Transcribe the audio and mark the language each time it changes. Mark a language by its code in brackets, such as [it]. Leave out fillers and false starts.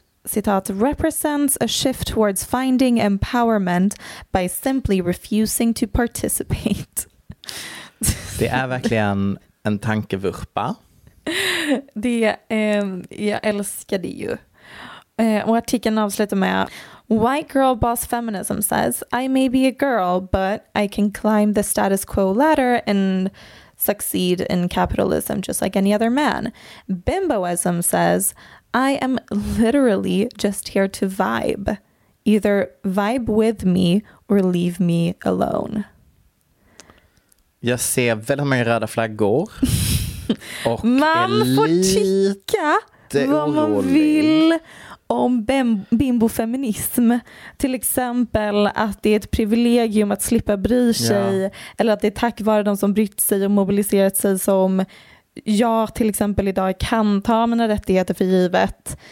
[en] Citat, represents a shift towards finding empowerment by simply refusing to participate. [sv] Det är verkligen en tankevurpa. Det, jag älskar det ju. Och artikeln avslutar med [en] White girl boss feminism says I may be a girl but I can climb the status quo ladder and succeed in capitalism just like any other man. Bimboism says I am literally just here to vibe. Either vibe with me or leave me alone. [sv] Jag ser väldigt många röda flaggor. Och man får tycka vad man vill om bimbofeminism. Till exempel att det är ett privilegium att slippa bry sig. Ja. Eller att det är tack vare de som brytt sig och mobiliserat sig som jag till exempel idag kan ta mina rättigheter för givet.